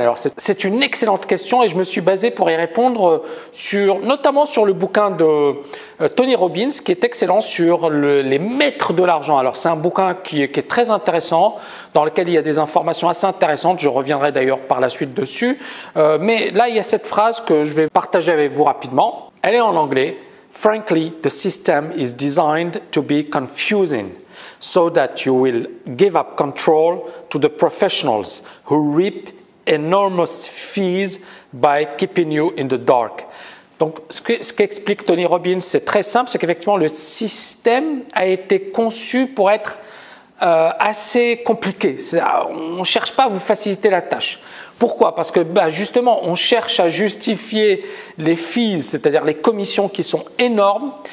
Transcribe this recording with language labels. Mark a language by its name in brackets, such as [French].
[French] Alors, c'est une excellente question et je me suis basé pour y répondre notamment sur le bouquin de Tony Robbins qui est excellent sur les maîtres de l'argent. Alors, c'est un bouquin qui est très intéressant, dans lequel il y a des informations assez intéressantes. Je reviendrai d'ailleurs par la suite dessus. Mais là, il y a cette phrase que je vais partager avec vous rapidement. Elle est en anglais. [English] « Frankly, the system is designed to be confusing. » So that you will give up control to the professionals who reap enormous fees by keeping you in the dark. [French] Donc, ce qu'explique Tony Robbins, c'est très simple, c'est qu'effectivement, le système a été conçu pour être assez compliqué. On ne cherche pas à vous faciliter la tâche. Pourquoi ? Parce que justement, on cherche à justifier les fees, c'est-à-dire les commissions qui sont énormes.